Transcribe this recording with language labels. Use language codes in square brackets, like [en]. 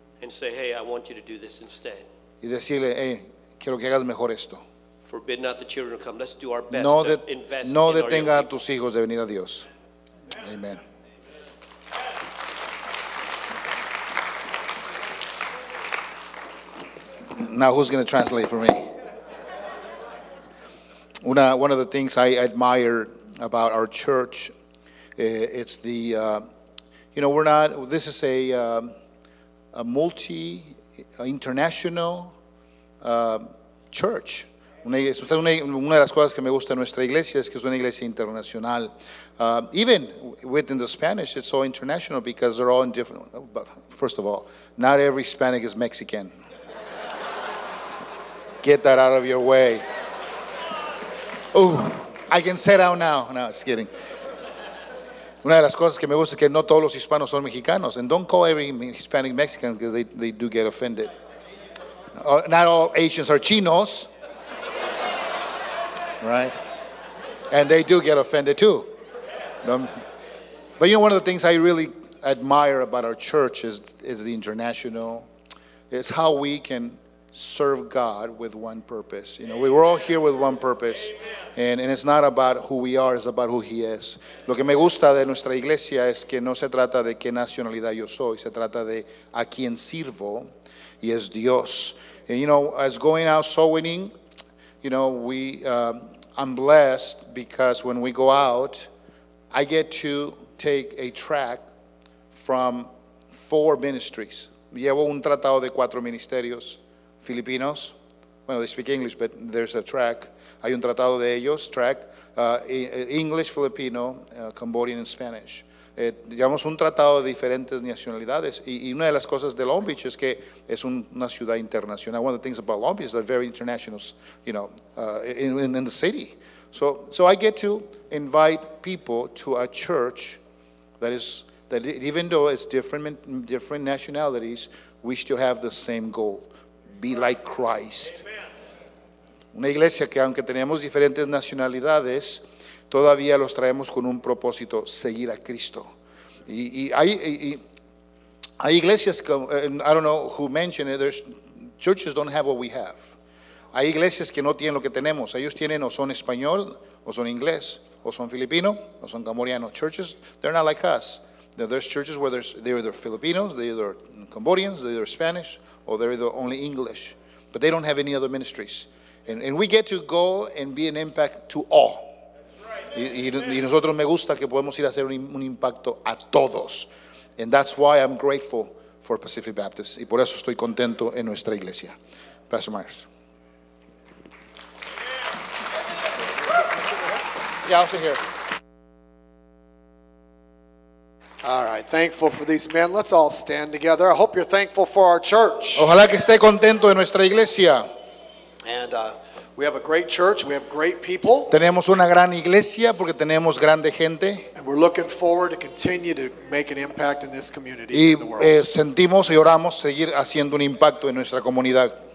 [en] and say, hey, I want you to do this instead. [es] Y decirle, hey, quiero que hagas mejor esto. [en] Forbid not the children to come. Let's do our best to invest in our young people. [es] No detenga a tus hijos de venir a Dios. [en] Amen. Amen. Now, who's going to translate for me? One of the things I admire about our church, it's the, you know, this is a multi-international church. [es] Una de las cosas que me gusta de nuestra iglesia es que es una iglesia internacional. [en] Even within the Spanish, it's so international because they're all in different, but first of all, not every Hispanic is Mexican. Get that out of your way. Oh, I can sit down now. No, just kidding. [es] Una de las cosas que me gusta es que no todos los hispanos son mexicanos. [en] And don't call every Hispanic Mexican because they do get offended. Not all Asians are chinos. Right? And they do get offended too. But you know, one of the things I really admire about our church is the international. It's how we can serve God with one purpose. You know, we're all here with one purpose. And it's not about who we are, it's about who He is. [es] Lo que me gusta de nuestra iglesia es que no se trata de qué nacionalidad yo soy, se trata de a quien sirvo, y es Dios. [en] And you know, as going out soul winning, you know, I'm blessed because when we go out, I get to take a track from four ministries. [es] Llevo un tratado de cuatro ministerios. [en] Filipinos, well, they speak English, but there's a track. [es] Hay un tratado de ellos, [en] track. English, Filipino, Cambodian, and Spanish. [es] Llevamos un tratado de diferentes nacionalidades. Y una de las cosas de Long Beach es que es una ciudad internacional. [en] One of the things about Long Beach is they're very international, you know, in the city. So I get to invite people to a church that even though it's different nationalities, we still have the same goal. Be like Christ. Amen. [es] Una iglesia que aunque tenemos diferentes nacionalidades, todavía los traemos con un propósito, seguir a Cristo. Y hay iglesias, [en] I don't know who mentioned it, there's churches don't have what we have. [es] Hay iglesias que no tienen lo que tenemos. Ellos tienen o son español, o son inglés, o son filipino, o son camboriano. [en] Churches, they're not like us. There's churches where they're either Filipinos, they're either Cambodians, they're either Spanish, or they're either only English, but they don't have any other ministries. And we get to go and be an impact to all. [es] Y nosotros me gusta que podemos ir a hacer un impacto a todos. [en] And that's why I'm grateful for Pacific Baptist. [es] Y por eso estoy contento en nuestra iglesia. [en] Pastor Myers. Yeah, I'll sit here. All right, thankful for these men. Let's all stand together. I hope you're thankful for our church. [es] Ojalá que esté contento de nuestra iglesia. [en] And we have a great church. We have great people. [es] Tenemos una gran iglesia porque tenemos grande gente. [en] And we're looking forward to continue to make an impact in this community [es] y, [en] and the world. [es] Sentimos y oramos seguir haciendo un impacto en nuestra comunidad.